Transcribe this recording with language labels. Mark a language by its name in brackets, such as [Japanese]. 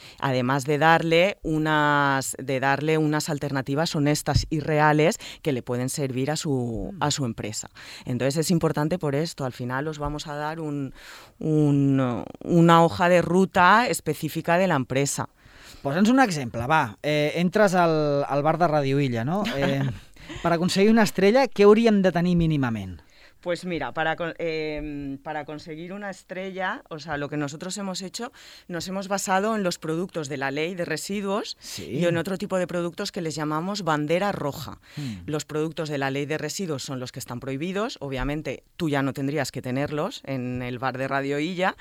[Spanish] Además de darle unas alternativas honestas y reales que le pueden servir a su empresa. Entonces es importante por esto. Al final os vamos a dar una hoja de ruta específica de la empresa. [Catalan] Posa'ns un exemple, va. Entres al bar de Radio Illa, no? Per aconseguir una estrella, què hauríem de tenir mínimament? [Spanish] Pues mira, para conseguir una estrella, o sea, lo que nosotros hemos hecho, nos hemos basado en los productos de la ley de residuos y en otro tipo de productos que les llamamos bandera roja. Los productos de la ley de residuos son los que están prohibidos, obviamente tú ya no tendrías que tenerlos en el bar de Radio Illa.